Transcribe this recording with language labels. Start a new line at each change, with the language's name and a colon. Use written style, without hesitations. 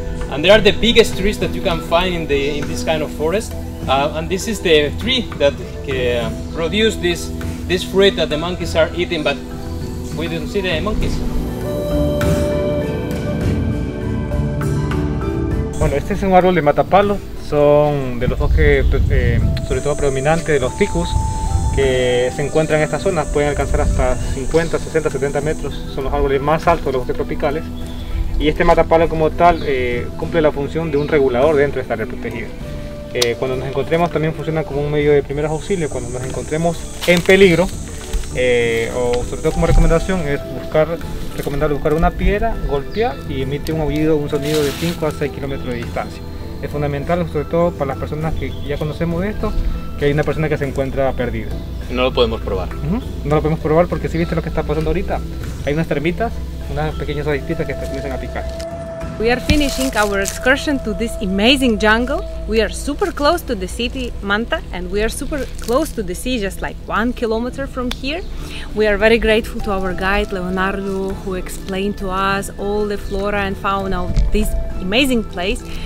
English: And they are the biggest trees that you can find in this kind of forest. And this is the tree that produce this fruit that the monkeys are eating, but we didn't see the monkeys.
Spanish: Bueno, este es un árbol de matapalo. Son de los bosques, sobre todo predominantes, de los ficus, que se encuentran en estas zonas. Pueden alcanzar hasta 50, 60, 70 metros. Son los árboles más altos de los bosques tropicales. Y este matapalo como tal cumple la función de un regulador dentro de esta área protegida. Cuando nos encontremos también funciona como un medio de primeros auxilios. Cuando nos encontremos en peligro, o sobre todo como recomendación, es recomendable buscar una piedra, golpear y emite un aullido, un sonido de 5 a 6 kilómetros de distancia. Es fundamental, sobre todo para las personas que ya conocemos de esto, que hay una persona que se encuentra perdida. No lo podemos probar. No lo podemos probar porque si viste lo que está pasando ahorita, hay unas termitas, unas pequeñas avispitas que comienzan a picar.
English: We are finishing our excursion to this amazing jungle. We are super close to the city Manta, and we are super close to the sea, just like 1 kilometer from here. We are very grateful to our guide Leonardo, who explained to us all the flora and fauna of this amazing place.